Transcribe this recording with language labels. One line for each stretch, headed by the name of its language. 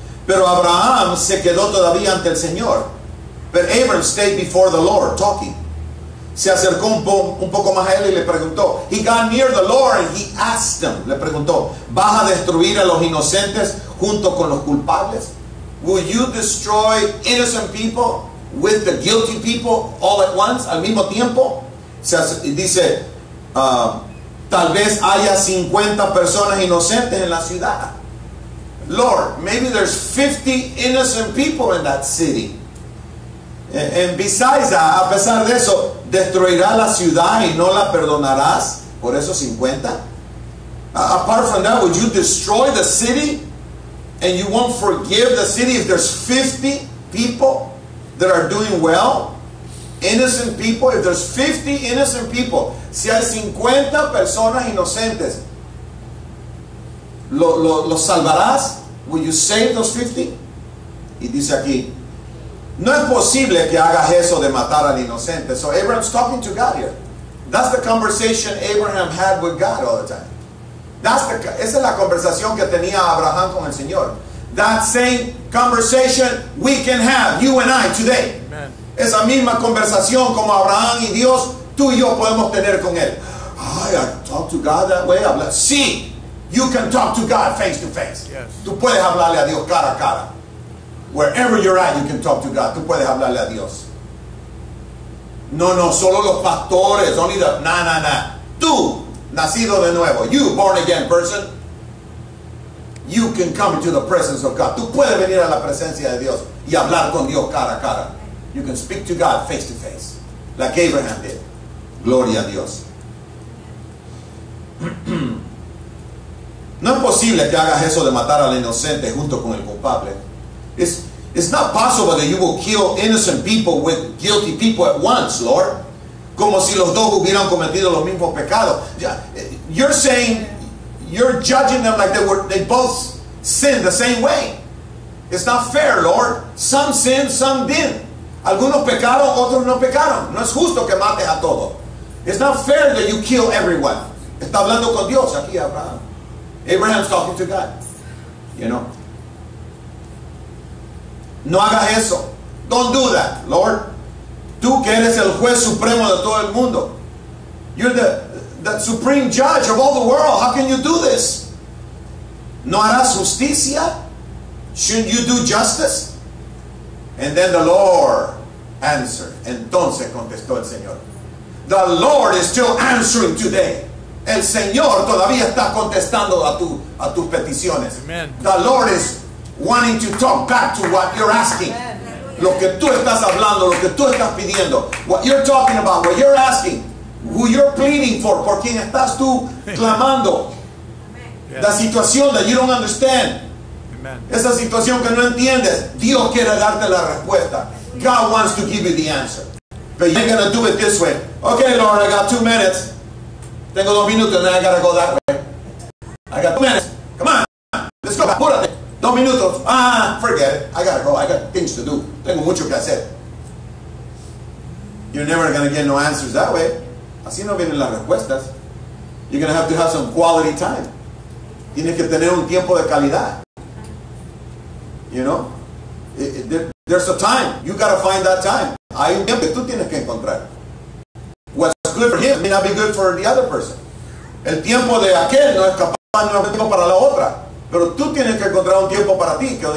Spanish: Pero Abraham se quedó todavía ante el Señor.
English: But Abraham stayed before the Lord, talking.
Spanish: Se acercó un poco más a él y le preguntó.
English: He got near the Lord and he asked him.
Spanish: Le preguntó, ¿vas a destruir a los inocentes junto con los culpables?
English: Will you destroy innocent people with the guilty people all at once,
Spanish: al mismo tiempo? Dice, tal vez haya 50 personas inocentes en la ciudad.
English: Lord, maybe there's 50 innocent people in that city. And besides that,
Spanish: a pesar de eso, ¿destruirá la ciudad y no la perdonarás por esos 50?
English: Apart from that, would you destroy the city and you won't forgive the city if there's 50 people that are doing well? Innocent people, if there's 50 innocent people,
Spanish: si hay 50 personas inocentes, ¿lo salvarás?
English: Will you save those 50?
Spanish: Y dice aquí, no es posible que hagas eso de matar al inocente.
English: So Abraham's talking to God here. That's the conversation Abraham had with God all the time.
Spanish: Esa es la conversación que tenía Abraham con el Señor.
English: That same conversation we can have, you and I, today. Amen.
Spanish: Esa misma conversación como Abraham y Dios, tú y yo podemos tener con él.
English: Ay, I talk to God that way. Sí, you can talk to God face to face. Yes.
Spanish: Tú puedes hablarle a Dios cara a cara.
English: Wherever you're at, you can talk to God.
Spanish: Tú puedes hablarle a Dios. No, solo los pastores. Tú, nacido de nuevo.
English: You, born again person. You can come into the presence of God.
Spanish: Tú puedes venir a la presencia de Dios y hablar con Dios cara a cara.
English: You can speak to God face to face. Like Abraham did.
Spanish: Gloria a Dios. No es posible que hagas eso de matar al inocente junto con el culpable.
English: It's not possible that you will kill innocent people with guilty people at once, Lord.
Spanish: Como si los dos hubieran cometido los mismos pecados.
English: You're saying, you're judging them like they both sinned the same way. It's not fair, Lord. Some sinned, some didn't.
Spanish: Algunos pecaron, otros no pecaron. No es justo que mates a todos.
English: It's not fair that you kill everyone.
Spanish: Está hablando con Dios aquí, Abraham.
English: Abraham's talking to God. You know.
Spanish: No hagas eso.
English: Don't do that, Lord.
Spanish: Tú que eres el juez supremo de todo el mundo.
English: You're the supreme judge of all the world. How can you do this?
Spanish: ¿No harás justicia?
English: Shouldn't you do justice? And then the Lord answered.
Spanish: Entonces contestó el Señor.
English: The Lord is still answering today.
Spanish: El Señor todavía está contestando a tus peticiones.
English: Amen. The Lord is wanting to talk back to what you're asking. Amen.
Spanish: Lo que tú estás hablando, lo que tú estás pidiendo.
English: What you're talking about, what you're asking. Who you're pleading for,
Spanish: por quien estás tú clamando.
English: Amen.
Spanish: La situación
English: that you don't understand. Amen.
Spanish: Esa situación que no entiendes. Dios quiere darte la respuesta.
English: God wants to give you the answer. But you're going to do it this way. Okay, Lord, I got 2 minutes.
Spanish: Tengo 2 minutos,
English: then I gotta go that way. I got 2 minutes. Come on. Let's go.
Spanish: Apúrate. 2 minutos.
English: Forget it. I gotta go. I got things to do.
Spanish: Tengo mucho que hacer.
English: You're never gonna get no answers that way.
Spanish: Así no vienen las respuestas.
English: You're gonna have to have some quality time.
Spanish: Tienes que tener un tiempo de calidad.
English: You know? There's a time. You gotta find that time.
Spanish: Hay un tiempo que tú tienes que encontrar.
English: What's good for him may not be good for the other person.
Spanish: El tiempo de aquel no es capaz, no es tiempo para la otra. Pero tú tienes que encontrar un tiempo para ti.